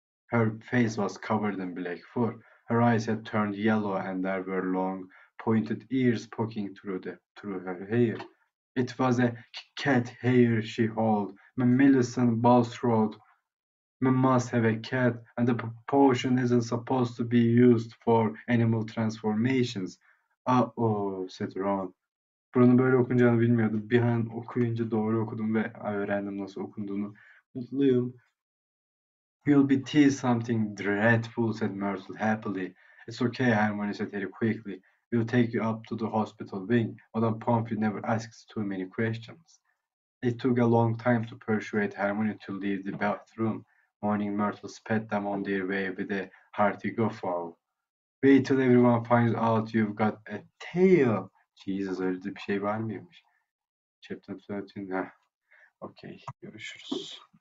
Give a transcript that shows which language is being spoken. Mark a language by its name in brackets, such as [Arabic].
[English] Her face was covered in black fur. Her eyes had turned yellow and there were long, pointed ears poking through her hair. It was a cat hair, she howled. Millicent Bulstrode. We must have a cat, and the potion isn't supposed to be used for animal transformations. Uh-oh, said Ron. [Turkish] Buranın böyle okunacağını bilmiyordum. Bir an okuyunca doğru okudum ve öğrendim nasıl okunduğunu. Mutluyum. [English] You'll be teased something dreadful, said Myrtle happily. It's okay, Hermione said very quickly. We'll take you up to the hospital wing. Madame Pomfrey never asks too many questions. It took a long time to persuade Hermione to leave the bathroom. Morning Myrtle sped them on their way with a hearty guffaw. Wait till everyone finds out you've got a tail. [Turkish] Jesus, öyle bir şey var mıymış? Chapter 13, ha. Okay, görüşürüz.